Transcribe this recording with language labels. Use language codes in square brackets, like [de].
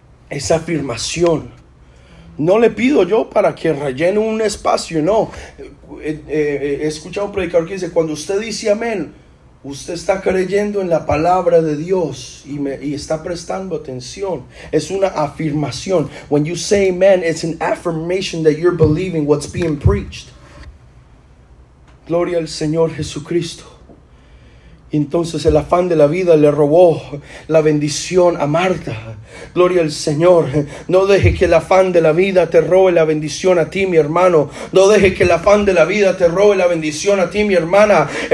[es] Esa afirmación. No le pido yo para que rellene un espacio, no. he escuchado un predicador que dice, cuando usted dice amén, usted está creyendo en la palabra de Dios y está prestando atención. Es una afirmación. [en] When you say amen, it's an affirmation that you're believing what's being preached. [es] Gloria al Señor Jesucristo. Entonces el afán de la vida le robó la bendición a Marta. Gloria al Señor. No deje que el afán de la vida te robe la bendición a ti, mi hermano. No deje que el afán de la vida te robe la bendición a ti, mi hermana.